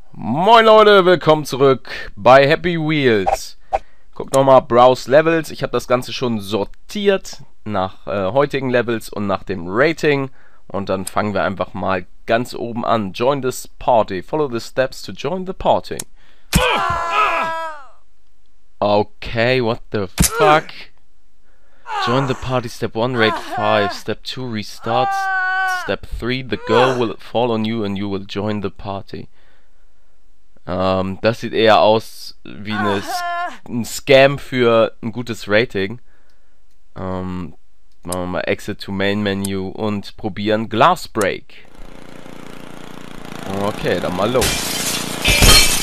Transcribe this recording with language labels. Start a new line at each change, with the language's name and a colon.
German: Moin Leute, willkommen zurück bei Happy Wheels. Guckt nochmal, Browse Levels. Ich habe das Ganze schon sortiert nach heutigen Levels und nach dem Rating. Und dann fangen wir einfach mal ganz oben an.
English: Join this party. Follow the steps to join the party. Okay, what the fuck? Join the party, step 1, raid 5. Step 2, restart. Step 3, the girl will fall on you and you will join the party.
German: Das sieht eher aus wie ein Scam für ein gutes Rating. Machen wir mal Exit to Main Menu und probieren Glass Break. Okay, dann mal los.